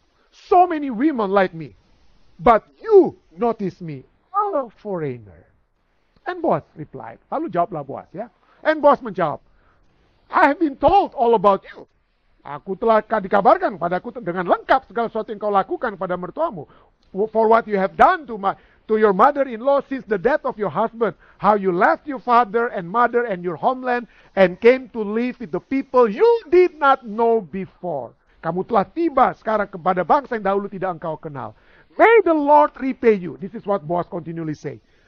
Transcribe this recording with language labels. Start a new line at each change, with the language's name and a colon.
English: So many women like me, but you notice me, a foreigner. And Boaz replied,
Indonesian: lalu jawablah Boaz ya.
English: And Boaz menjawab, I have been told all about you.
Indonesian: Aku telah dikabarkan padaku dengan lengkap segala sesuatu yang kau lakukan pada mertuamu.
English: For what you have done to your mother-in-law since the death of your husband. How you left your father and mother and your homeland and came to live with the people you did not know before.
Indonesian: Kamu telah tiba sekarang kepada bangsa yang dahulu tidak engkau kenal.
English: May the Lord repay you. This is what Boaz continually say.